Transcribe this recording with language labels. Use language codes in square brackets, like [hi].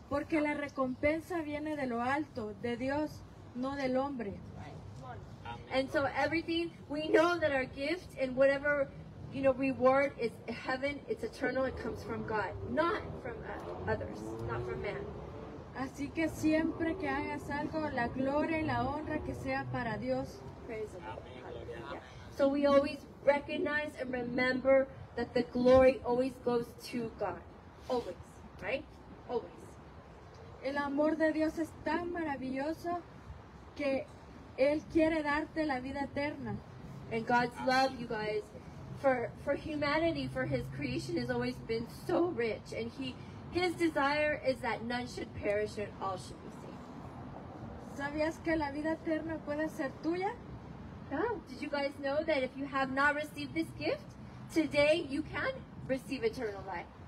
[es] Porque la recompensa viene de lo alto, de Dios, no del hombre. [en] Right. And so everything, we know that our gift and whatever, you know, reward is heaven, it's eternal, it comes from God, not from others, not from man. [es] Así que siempre que hagas algo, la gloria y la honra que sea para Dios. [en] Praise God. Yeah. So we always recognize and remember that the glory always goes to God. Always, right? Always. [es] El amor de Dios es tan maravilloso que Él quiere darte la vida eterna. [en] And God's love, you guys, for humanity, for His creation, has always been so rich. And His desire is that none should perish and all should be saved. [es] ¿Sabías que la vida eterna puede ser tuya? No. [en] Did you guys know that if you have not received this gift, today you can receive eternal life?